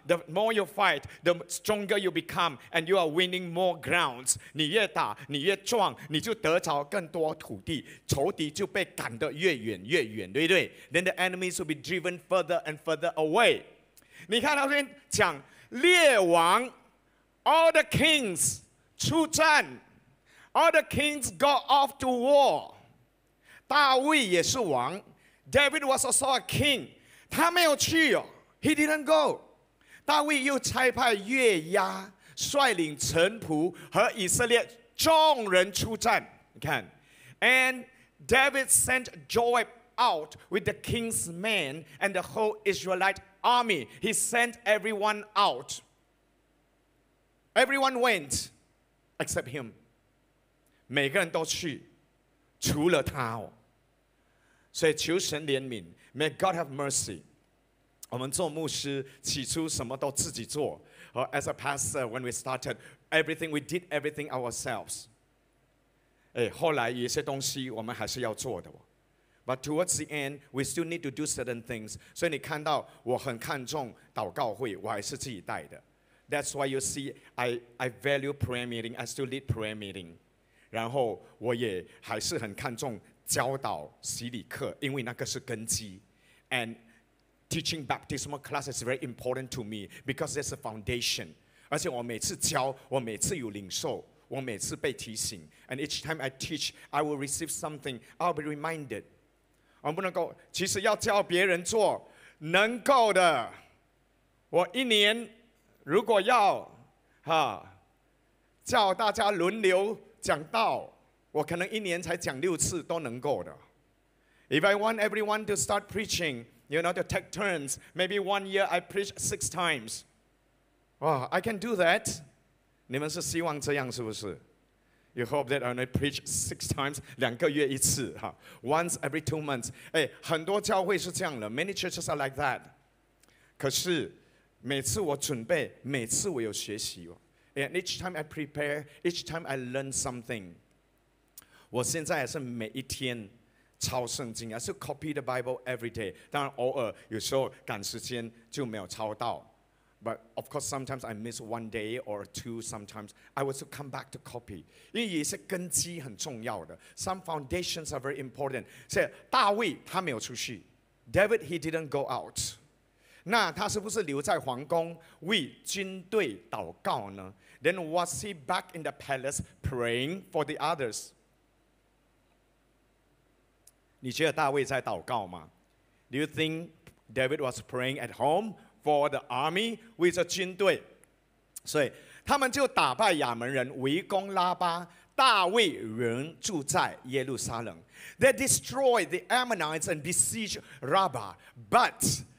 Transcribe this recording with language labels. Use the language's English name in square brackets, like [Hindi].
[English] The more you fight, the stronger you become, and you are winning more grounds. [Chinese] 你越打，你越壮，你就得着更多土地，仇敌就被赶得越远越远，对不对？ [English] Then the enemies will be driven further and further away. [Chinese] 你看他这边讲列王 ， [English] all the kings [Chinese] 出战。 [English] All the kings go off to war. [Chinese] 大卫也是王。 [English] David was also a king. [Chinese] 他没有去哦。 [English] He didn't go. [Chinese] 大卫又差派约押率领臣仆和以色列众人出战。你看。 [English] And David sent Joab out with the king's men and the whole Israelite army. He sent everyone out. Everyone went except him. [Chinese] 每个人都去，除了他哦。所以求神怜悯 ， [English] May God have mercy。 [Chinese] 我们做牧师起初什么都自己做，和 [English] As a pastor when we started everything we did everything ourselves。 [Chinese] 哎，后来有些东西我们还是要做的哦。 [English] But towards the end we still need to do certain things。 [Chinese] 所以你看到我很看重祷告会，我还是自己带的。 [English] That's why you see I value prayer meeting. I still lead prayer meeting. [Chinese] 然后我也还是很看重教导洗礼课，因为那个是根基。 [English] And teaching baptismal class is very important to me because it's a foundation. [Chinese] 而且我每次教，我每次有领受，我每次被提醒。 [English] And each time I teach, I will receive something. I'll be reminded. [Chinese] 我不能够，其实要教别人做，能够的。我一年如果要哈叫大家轮流。讲道，我可能一年才讲六次都能够的。 [English] If I want everyone to start preaching, you know, to take turns, maybe one year I preach six times. Wow, I can do that. [Chinese] 你们是希望这样是不是？ [English] You hope that I only preach six times, [Chinese] 两个月一次哈。 [English] Once every 2 months. [Chinese] 哎，很多教会是这样的。 [English] Many churches are like that. [Chinese] 可是每次我准备，每次我有学习哦。 [English] And each time I prepare, each time I learn something. [Chinese] 我现在也是每一天抄圣经，也是 [English] copy the Bible every day. [Chinese] 当然偶尔有时候赶时间就没有抄到。 [English] But of course, sometimes I miss one day or two. Sometimes I will come back to copy. [Chinese] 因为有些根基很重要的。 [English] Some foundations are very important. [Chinese] 所以大卫他没有出去。 [English] David, he didn't go out. [Chinese] 那他是不是留在皇宫为军队祷告呢？ [English] Then was he back in the palace praying for the others? [Chinese] 你觉得大卫在祷告吗？ [English] Do you think David was praying at home for the army [Chinese] 为着军队？所以他们就打败亚门人，围攻拉巴，大卫仍住在耶路撒冷。 [English] They destroyed the Ammonites and besieged Rabbah, but...